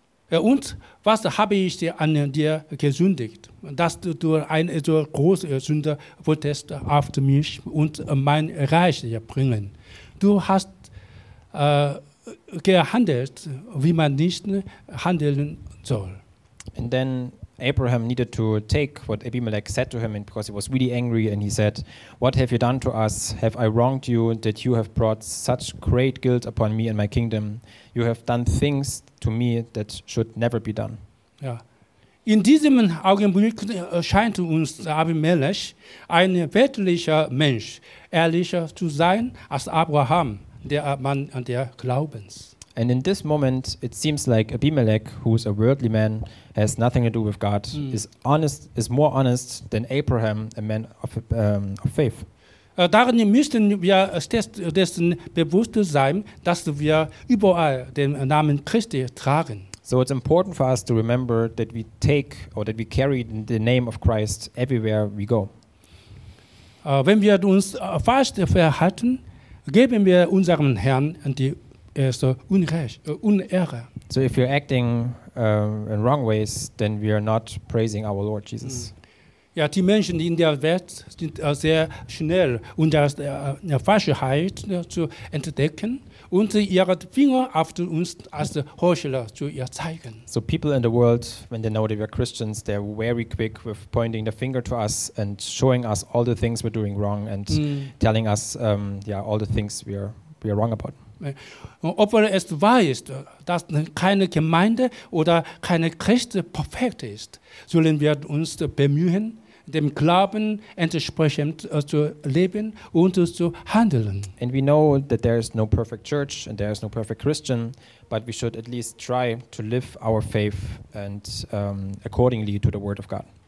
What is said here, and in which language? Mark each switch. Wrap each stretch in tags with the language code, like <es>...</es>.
<de>Und was habe ich an dir gesündigt, dass du ein so großer Sünder wolltest auf mich und mein Reich bringen? Du hast gehandelt, wie man nicht handeln soll.</de> <en>And then Abraham needed to take what Abimelech said to him, because he was really angry, and he said, what have you done to us? Have I wronged you that you have brought such great guilt upon me and my kingdom? You have done things to me that should never be done.</en> <de>Ja. In diesem Augenblick scheint uns Abimelech ein weltlicher Mensch ehrlicher zu sein als Abraham, der Mann an der Glaubens.</de> <en>And in this moment, it seems like Abimelech, who is a worldly man, has nothing to do with God, is more honest than Abraham, a man of faith.</en> <de>Darin müssen wir dessen bewusst sein, dass wir überall den Namen Christi tragen.</de> <en>So it's important for us to remember that we take or that we carry the name of Christ everywhere we go.</en> <de>Wenn wir uns falsch verhalten, geben wir unserem Herrn die Unehre.</de> <en>So if you're acting in wrong ways, then we are not praising our Lord Jesus.</en> <de>Ja, die Menschen in der Welt sind sehr schnell, unter der Falschheit zu entdecken und ihre Finger auf uns als Heuchler zu zeigen.</de> <en>So people in the world, when they know that we are Christians, they're very quick with pointing the finger to us and showing us all the things we're doing wrong and telling us all the things we are wrong about.</en> <de>Obwohl es wahr ist, dass keine Gemeinde oder keine Christ perfekt ist, sollen wir uns bemühen, dem Glauben entsprechend zu leben und zu handeln.</de> <en>And we know that there is no perfect church and there is no perfect Christian, but we should at least try to live our faith and accordingly to the word of God.</en>